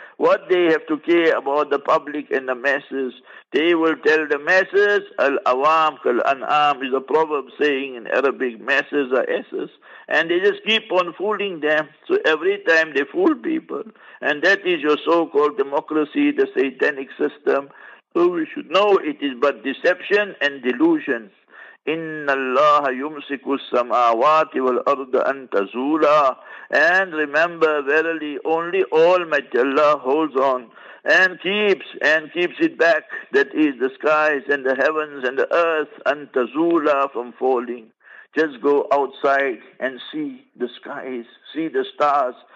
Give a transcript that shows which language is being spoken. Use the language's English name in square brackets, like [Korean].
[English] What they have to care about the public and the masses, they will tell the masses, [Arabic] Al-Awam Kal-An'am [English] is a proverb saying in Arabic, masses are asses. And they just keep on fooling them. So every time they fool people, and that is your so-called democracy, the satanic system. So we should know it is but deception and delusion. [Arabic] ان الله يمسك السماوات والارض ان تزولا. [English] And remember, verily only Almighty Allah holds on and keeps it back, that is the skies and the heavens and the earth, and tazula, from falling. Just go outside and see the skies, see the stars.